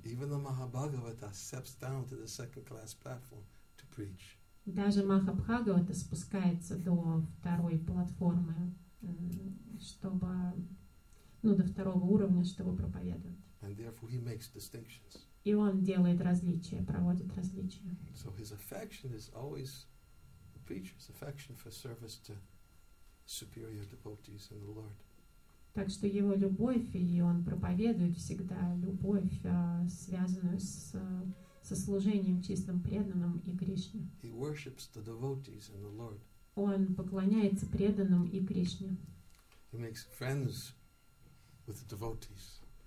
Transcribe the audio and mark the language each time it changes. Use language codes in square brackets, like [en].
[en] Even the Mahabhagavata steps down to the second class platform. [ru] Даже Махабхагавата спускается до второй платформы, чтобы, ну, до второго уровня, чтобы проповедовать. [en] And therefore he makes distinctions. [ru] И он делает различия, проводит различия. [en] So his affection is always the preacher's affection for service to superior devotees and the Lord. [ru] Так что его любовь, и он проповедует всегда любовь, связанную с со служением чистым преданным и Кришне. [en] He worships the devotees and the Lord. [ru] Он поклоняется преданным и Кришне. [en] He makes friends with the devotees.